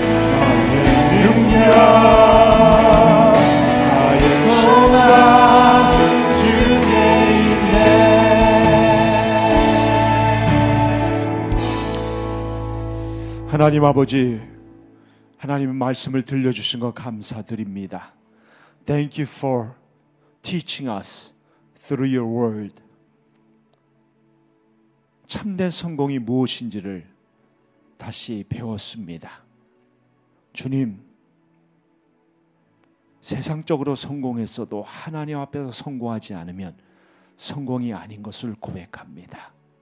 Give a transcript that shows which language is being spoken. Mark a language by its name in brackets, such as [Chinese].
[Korean] 나의 능력 나의 소망 주께 있네. 하나님 아버지, 하나님의 말씀을 들려주신 것 감사드립니다. [English] Thank you for teaching us through your word. [Korean] 참된 성공이 무엇인지를 다시 배웠습니다. 주님, 세상적으로 성공했어도 하나님 앞에서 성공하지 않으면 성공이 아닌 것을 고백합니다.